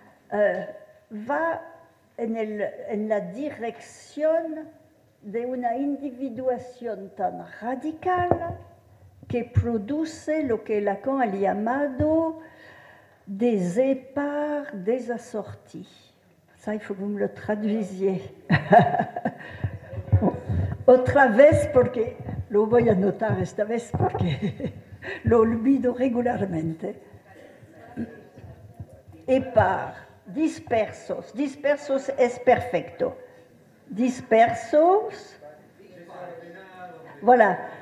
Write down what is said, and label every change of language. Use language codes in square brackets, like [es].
[es] va en la dirección de una individuación tan radical que produce lo que Lacan ha llamado [fr] des épars désassortis. Ça, il faut que vous me le traduisiez. [es] Otra vez, porque lo voy a notar esta vez, porque lo olvido regularmente. [fr] Épars, [es] dispersos. Dispersos es perfecto. Dispersos. [fr] Voilà.